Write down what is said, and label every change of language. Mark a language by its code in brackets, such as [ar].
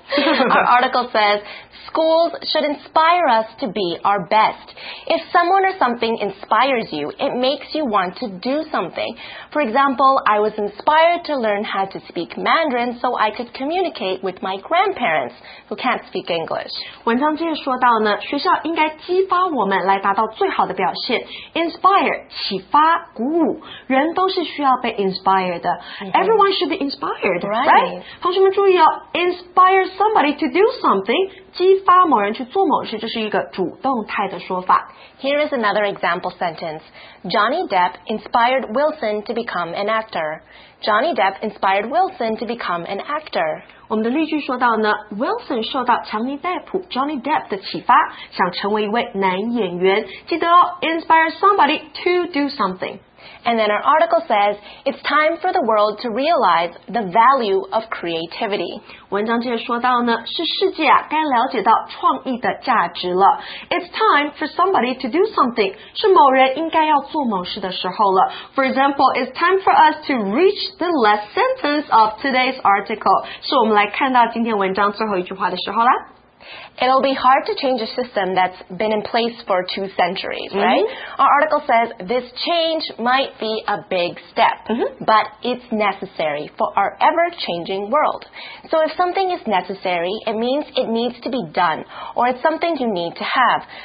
[en] Our article says, schools should inspire us to be our best. If someone or something inspires you, it makes you want to do something. For example, I was inspired to learn how to speak Mandarin so I could communicate with my grandparents who can't speak English. [zh] 文章接着说到呢，学校应该激发我们来达到最好的表现。 Inspire, 启发、鼓舞，人都是需要被 inspire 的。Mm-hmm. [en] Everyone should be inspired, right? Right? [zh] 同学们注意哦 ， [en] inspire somebody to do something， [zh] 激发某人去做某事，这是一个主动态的说法。 [en] Here is another example sentence. Johnny Depp inspired Wilson to become an actor. Johnny Depp inspired Wilson to become an actor. [zh] 我们的例句说到呢 ，Wilson 受到强尼戴普 Johnny Depp 的启发，想成为一位男演员。记得哦 [en] ，inspire somebody to do something. And then our article says, it's time for the world to realize the value of creativity. [zh] 文章接着说到呢，是世界啊，该了解到创意的价值了。 [en] It's time for somebody to do something. [zh] 是某人应该要做某事的时候了。 [en] For example, it's time for us to reach the last sentence of today's article. [zh] 是我们来看到今天文章最后一句话的时候啦。 [en] It'll be hard to change a system that's been in place for 2 centuries, mm-hmm. right? Our article says this change might be a big step, mm-hmm. but it's necessary for our ever-changing world. So if something is necessary, it means it needs to be done, or it's something you need to have.